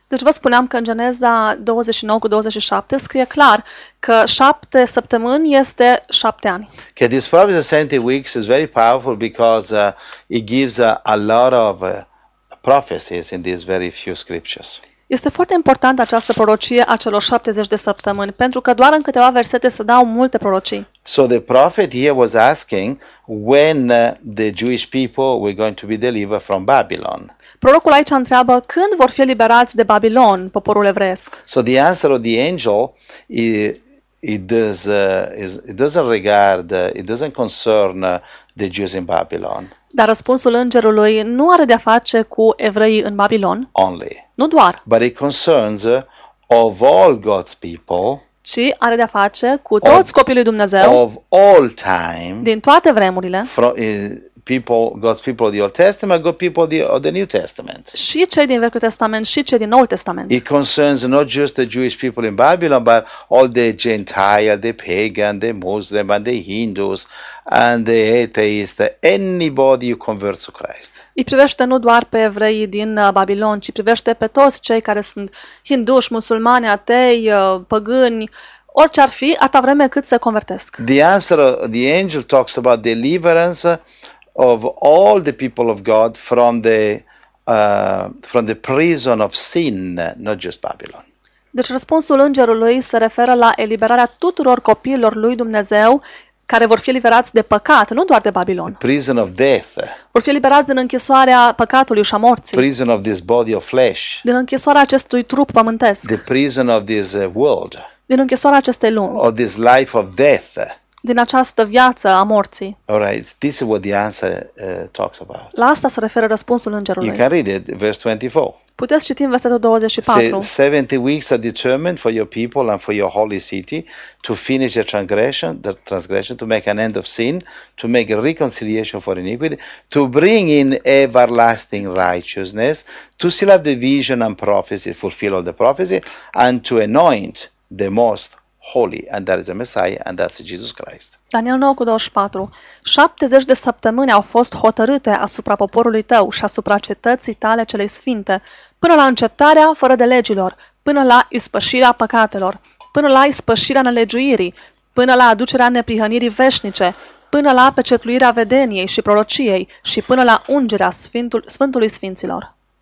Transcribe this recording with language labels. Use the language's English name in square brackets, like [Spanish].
[Romanian] Deci vă spuneam că în Geneza 29:27 scrie clar că 7 săptămâni este 7 ani. [English] Okay, this promise of 70 weeks is very powerful because it gives a lot of prophecies in these very few scriptures. [Romanian] Este foarte importantă această prorocie a celor 70 de săptămâni, pentru că doar în câteva versete se dau multe prorocii. [English] So the prophet here was asking when the Jewish people were going to be delivered from Babylon. [Romanian] Prorocul aici întreabă când vor fi eliberați de Babilon, poporul evresc. [English] So the answer of the angel it doesn't concern the Jews in Babylon. [Romanian] Dar răspunsul îngerului nu are de-a face cu evreii în Babilon. [English] Only. [Romanian] Nu doar. [English] But it concerns of all God's people. [Romanian] Ci are de-a face cu toți copiii lui Dumnezeu. [English] Of all time. [Romanian] Din toate vremurile. [English] People, God's people of the Old Testament, God's people of the New Testament. [Romanian] Și cei din Vechiul Testament și cei din Noul Testament. [English] It concerns not just the Jewish people in Babylon, but all the Gentile, the pagan, the Muslim, and the Hindus, and the atheist, anybody who converts to Christ. [Romanian] Îi privește nu doar pe evrei din Babilon, ci privește pe toți cei care sunt hinduși, musulmani, atei, păgâni, orice ar fi, atâta vreme cât se convertesc. [English] The answer, the angel talks about deliverance of all the people of God from the prison of sin, not just Babylon. [Romanian] Deci răspunsul îngerului se referă la eliberarea tuturor copiilor lui Dumnezeu care vor fi eliberați de păcat, nu doar de Babilon. [English] The prison of death. [Romanian] Vor fi eliberați din închisoarea păcatului și a morții. [English] Prison of this body of flesh. [Romanian] Din închisoarea acestui trup pământesc. [English] The prison of this world. [Romanian] Din închisoarea acestei lumi. [English] Of this life of death. [Romanian] Din această viață a morții. [English] All right, this is what the answer talks about. [Romanian] La asta se referă răspunsul îngerului. [English] You can read it, verse 24. [Romanian] Puteți citi în versetul 24. [English] Say, 70 weeks are determined for your people and for your holy city to finish the transgression, to make an end of sin, to make reconciliation for iniquity, to bring in everlasting righteousness, to seal up the vision and prophecy, fulfill all the prophecy, and to anoint the most holy, and that is the Messiah, and that's Jesus Christ. [Romanian] Daniel 9:24. 70 de săptămâni au fost hotărâte asupra poporului tău și asupra cetății tale cele sfinte, până la încetarea fără de legilor, până la ispășirea păcatelor, până la ispășirea nelegiuirii, până la aducerea neprihănirii veșnice, până la pecetluirea vedeniei și prorociei și până la ungerea Sfântului Sfinților.